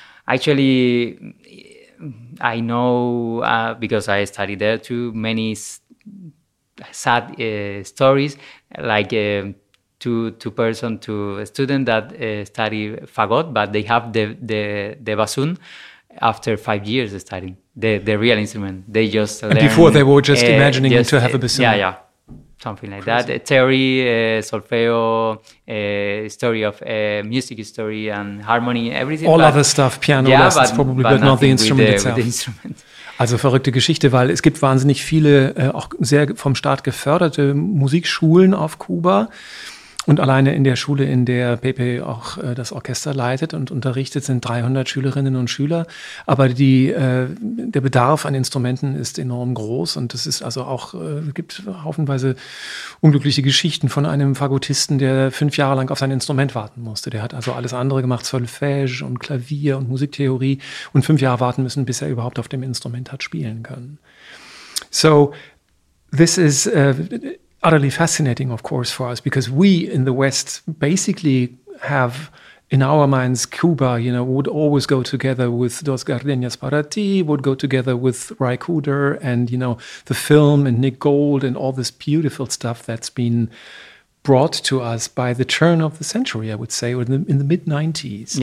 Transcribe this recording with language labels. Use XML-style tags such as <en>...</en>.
<en>Actually, I know, because I studied there too, many sad stories, like two student that study fagot, but they have the bassoon after 5 years of studying. The real instrument. They just learned, and before they were just imagining just, to have a bassoon. Yeah, something like crazy. That. Theory, solfeo, story of music history and harmony, everything. All but, other stuff, piano lessons probably, but not the instrument itself. With the instrument.</en> <de>Also verrückte Geschichte, weil es gibt wahnsinnig viele, auch sehr vom Staat geförderte Musikschulen auf Kuba. Und alleine in der Schule, in der Pepe auch das Orchester leitet und unterrichtet, sind 300 Schülerinnen und Schüler. Aber der Bedarf an Instrumenten ist enorm groß. Und es ist also auch, gibt haufenweise unglückliche Geschichten von einem Fagottisten, der 5 Jahre lang auf sein Instrument warten musste. Der hat also alles andere gemacht, Solfège und Klavier und Musiktheorie, und 5 Jahre warten müssen, bis er überhaupt auf dem Instrument hat spielen können.</de> <en>So, this is utterly fascinating, of course, for us, because we in the West basically have in our minds Cuba, you know, would always go together with Dos Gardenias para Ti, would go together with Ry Cooder and, you know, the film and Nick Gold and all this beautiful stuff that's been brought to us by the turn of the century, I would say, or in the mid-90s.</en>